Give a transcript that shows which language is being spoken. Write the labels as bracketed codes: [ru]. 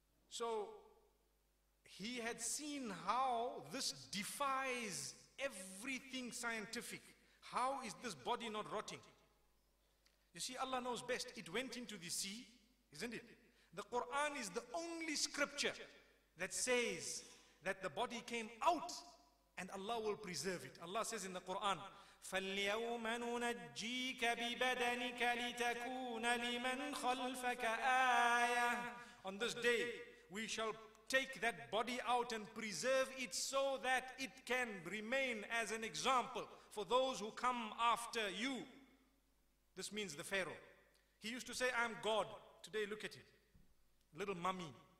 [en] So he had seen how this defies everything scientific. How is this body not rotting? You see, Allah knows best. It went into the sea, isn't it? The Quran is the only scripture that says that the body came out And Allah will preserve it. Allah says in the Quran, [ar] فَالْيَوْمَ نُنَجِّيكَ بِبَدَنِكَ لِتَكُونَ لِمَنْ خَلْفَكَ آيَةً. [en] On this day, we shall take that body out and preserve it so that it can remain as an example for those who come after you. This means the Pharaoh. He used to say, I'm God. Today, look at it. Little mummy.